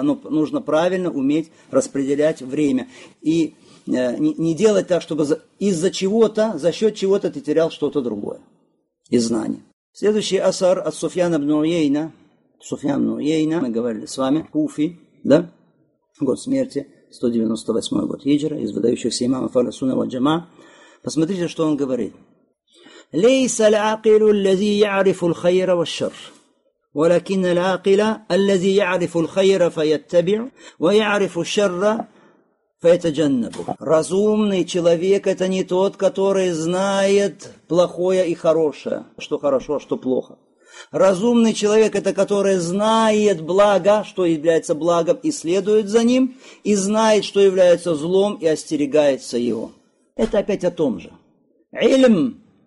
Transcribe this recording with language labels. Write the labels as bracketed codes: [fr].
[ru] Но нужно правильно уметь распределять время. И не делать так, чтобы из-за чего-то, за счет чего-то ты терял что-то другое из знаний. Следующий асар от Суфьяна ибн Уйейна. Суфьян ибн Уйейна, мы говорили с вами, Куфи, да? Год смерти, 198 год хиджра, из выдающихся имамов Ахля Сунна валь Джамаа. Посмотрите, что он говорит. [ar] «Лейса л'акилу л'ази я'рифу л'хайра ва-шар». ولكن العاقل الذي يعرف الخير فيتبع ويعرف الشر فيتجنبه. [ru] Разумный человек это не тот, который знает плохое и хорошее, что хорошо, что плохо. Разумный человек это который знает благо, что является благом и следует за ним, и знает, что является злом и остерегается его. Это опять о том же. Ильм.